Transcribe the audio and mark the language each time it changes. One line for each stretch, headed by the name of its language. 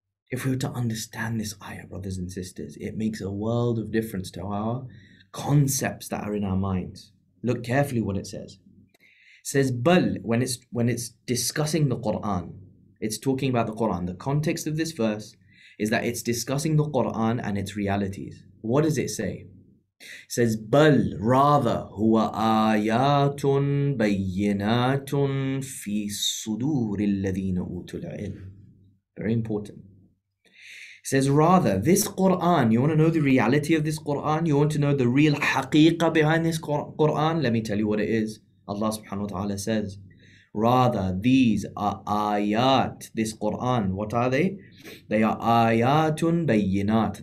English: If we were to understand this ayah, brothers and sisters, it makes a world of difference to our concepts that are in our minds. Look carefully what it says. It says, بَلْ, when it's discussing the Qur'an, it's talking about the Qur'an. The context of this verse is that it's discussing the Qur'an and its realities. What does it say? It says,
Arabic: بَلْ,
English: rather,
Arabic: هُوَ آيَاتٌ بَيِّنَاتٌ فِي صُدُورِ الَّذِينَ أُوتُوا الْعِلْمِ
English: Very important. It says, rather, this Qur'an, you want to know the reality of this Qur'an? You want to know the real haqiqah behind this Qur'an? Let me tell you what it is. Allah subhanahu wa ta'ala says, rather, these are ayat, this Qur'an. What are they? They are ayatun bayyinat.